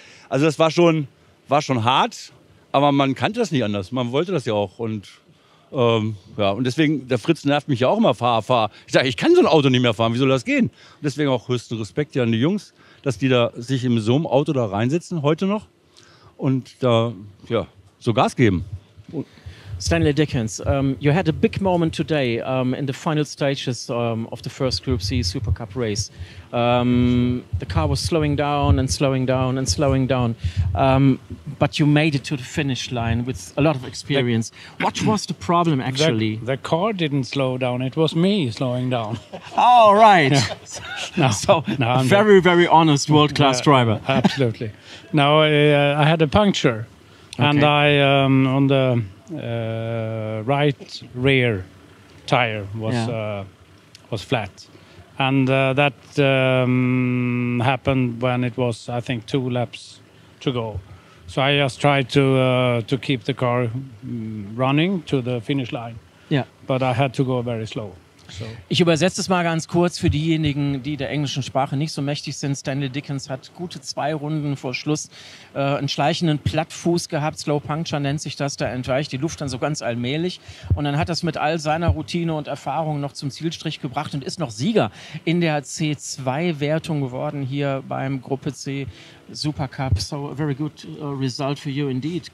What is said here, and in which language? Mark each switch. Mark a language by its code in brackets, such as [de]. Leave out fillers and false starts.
[de] Also das war schon hart, aber man kannte das nicht anders. Man wollte das ja auch. Und und deswegen, der Fritz nervt mich ja auch immer, fahr. Ich sage, ich kann so ein Auto nicht mehr fahren, wie soll das gehen? Und deswegen auch höchsten Respekt hier an die Jungs, dass die da sich in so einem Auto da reinsetzen, heute noch, und da so Gas geben. [en] Stanley Dickens, you had a big moment today in the final stages of the first Group C Super Cup race. The car was slowing down and slowing down and slowing down, but you made it to the finish line with a lot of experience. What was the problem actually? The car didn't slow down, it was me slowing down. Oh, right. Yeah. I'm very, very honest world-class driver. Absolutely. Now, I had a puncture, and I, on the right rear tire was flat, and that happened when it was, I think, 2 laps to go. So I just tried to keep the car running to the finish line. Yeah, but I had to go very slow. [de] Ich übersetze es mal ganz kurz für diejenigen, die der englischen Sprache nicht so mächtig sind. Stanley Dickens hat gute 2 Runden vor Schluss einen schleichenden Plattfuß gehabt. Slow Puncture nennt sich das. Da entweicht die Luft dann so ganz allmählich. Und dann hat das mit all seiner Routine und Erfahrung noch zum Zielstrich gebracht und ist noch Sieger in der C2-Wertung geworden hier beim Gruppe C Super Cup. [en] So a very good result for you indeed.